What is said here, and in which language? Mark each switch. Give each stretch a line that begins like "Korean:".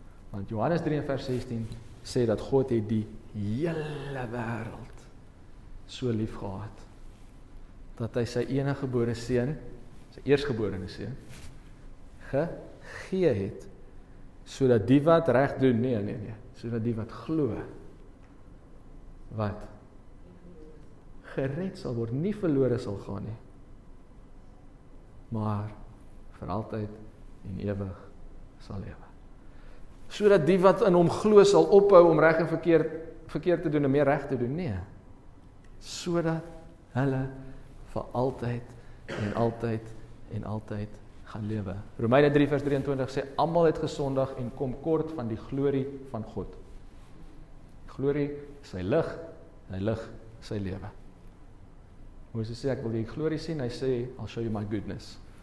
Afrikaans: Want Johannes 3 vers 16 sê dat God het die hele wêreld so lief gehad dat hy sy eniggebore seun, sy eersgeborene seun, gegee het sodat die wat reg doen, nee, sodat die wat glo wat gered sal word, nie verlore sal gaan nie, maar vir altyd en ewig sal lewe. Sodat die wat in hom glo sal ophou om reg en verkeerd te doen en meer reg te doen, nee. Sodat hulle vir altyd en altyd en altyd gaan lewe. Romeine 3 vers 23 sê, almal het gesondig en kom kort van die glorie van God. Glorie, sy lig, hy lig, sy lewe. Moses sê, ek wil die glorie sien, hy sê,
English: I'll show you my goodness.